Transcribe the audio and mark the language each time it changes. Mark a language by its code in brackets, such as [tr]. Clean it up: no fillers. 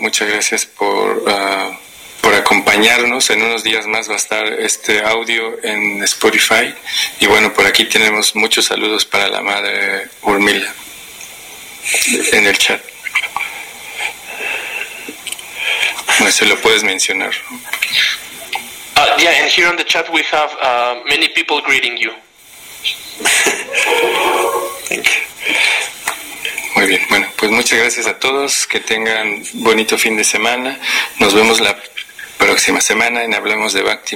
[es] Muchas gracias por acompañarnos. En unos días más va a estar este audio en Spotify. Y bueno, por aquí tenemos muchos saludos para la madre Urmila en el chat. No sé, lo puedes mencionar. [en] Yeah, and here on the chat we have many people greeting you. Thank you. [es] Muy bien, bueno, pues muchas gracias a todos. Que tengan bonito fin de semana. Nos vemos la próxima semana en Hablamos de Bhakti.